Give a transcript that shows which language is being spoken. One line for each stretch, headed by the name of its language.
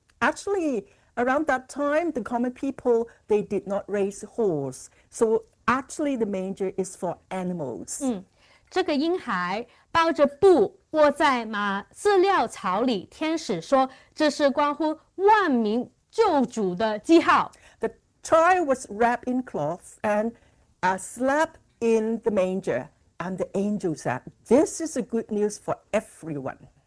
English: Actually, around that time, the common people, they did not raise horse. So actually, the manger is for animals.
Chinese: 这个婴孩抱着布卧在马饲料槽里，天使说："这是关乎万民救主的记号。"
English: The child was wrapped in cloth and slept in the manger, and the angel said, "This is a good news for everyone."